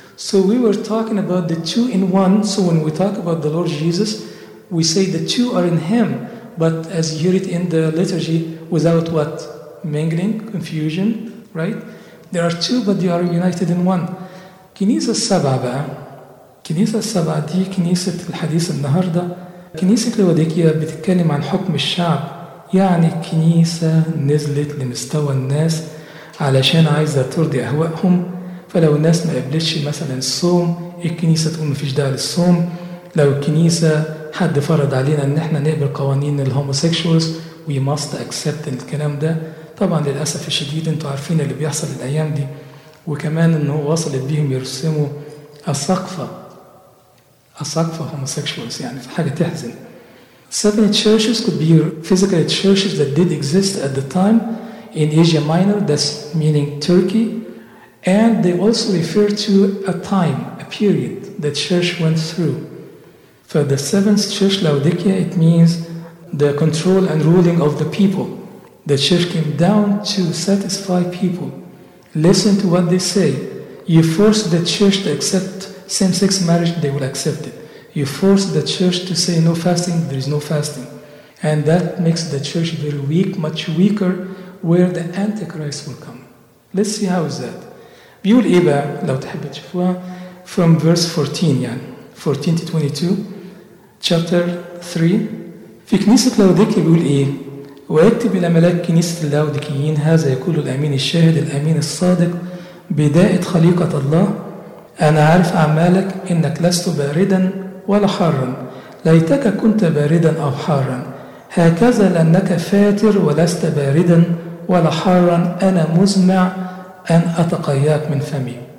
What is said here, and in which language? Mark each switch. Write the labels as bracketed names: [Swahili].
[English] So we were talking about the two in one, so when we talk about the Lord Jesus, we say the two are in Him, but as you hear it in the liturgy, without what? Mingling, confusion, right? There are two, but they are united in one. [Arabic] كنيسة السبعة بقى. كنيسة السبعة دي كنيسة الحديث النهاردة. كنيسة لوديكيا بتتكلم عن حكم الشعب, يعني الكنيسة نزلت لمستوى الناس علشان عايزة ترضي أهوائهم. فلو الناس ما قبلتش مثلا الصوم, الكنيسة تقول ما فيش داعي للصوم. لو الكنيسة حد فرض علينا ان احنا نقبل قوانين الهوموسيكشوالز, [English] we must accept [Arabic] الكلام ده. طبعا للأسف الشديد انتوا عارفين اللي بيحصل الأيام دي, وكمان انه وصلت بيهم يرسموا أسقفة homosexuals, يعني في حاجة تحزن. [English] Seven churches could be physical churches that did exist at the time in Asia Minor, that's meaning Turkey, and they also refer to a time, a period that church went through. For the seventh church, Laodicea, it means the control and ruling of the people. The church came down to satisfy people. Listen to what they say. You force the church to accept same-sex marriage, they will accept it. You force the church to say no fasting, there is no fasting. And that makes the church very weak, much weaker, where the Antichrist will come. Let's see how is that. [Arabic] بيقول إيه بقى لو تحب تشوفوها [English] from verse 14, [Arabic] يعني [English] 14 to 22 chapter 3. [Arabic] في كنيسة لوديكيا بيقول إيه, ويكتب إلى ملاك كنيسة اللاوديكيين هذا يقول الأمين الشاهد الأمين الصادق بداءة خليقة الله, أنا عارف أعمالك إنك لست باردا ولا حارا, ليتك كنت باردا أو حارا, هكذا لأنك فاتر ولست باردا ولا حارا, أنا مزمع أن أتقياك من فمي.